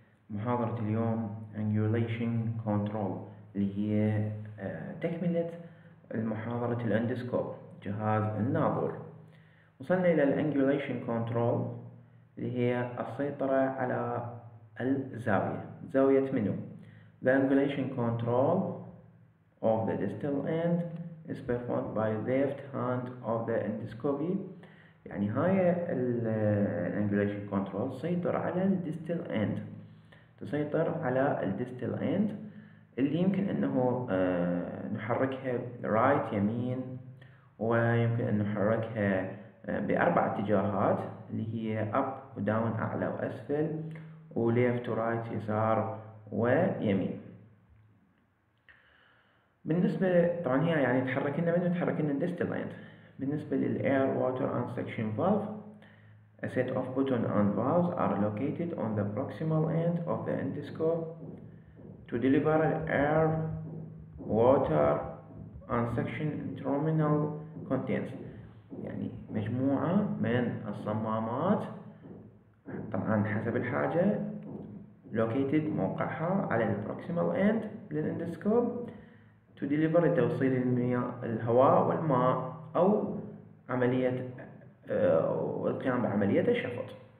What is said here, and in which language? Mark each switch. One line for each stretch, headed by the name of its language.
Arabic: محاضرة اليوم Angulation Control اللي هي تكملة محاضرة الأندسكوب جهاز الناظر. وصلنا إلى Angulation Control اللي هي السيطرة على الزاوية. زاوية منو؟
English: The Angulation Control of the Distal End is performed by left hand of the endoscopy.
Arabic: يعني هاي الانجوليشن كنترول سيطر على الديستال اند، تسيطر على الديستال اند اللي يمكن انه نحركها رايت يمين، ويمكن ان نحركها باربع اتجاهات اللي هي اب وداون اعلى واسفل وليفت ورايت يسار ويمين. بالنسبة طبعا هي يعني تحرك لنا منه تحرك لنا الديستال اند. بالنسبة لل
English: air water and suction valve, a set of button and valves are located on the proximal end of the endoscope to deliver air water and suction terminal contents.
Arabic: يعني مجموعة من الصمامات طبعا حسب الحاجة located موقعها على
English: the proximal end
Arabic: للendoscope
English: to deliver
Arabic: توصيل المياه الهواء والماء أو عملية القيام بعملية الشفط.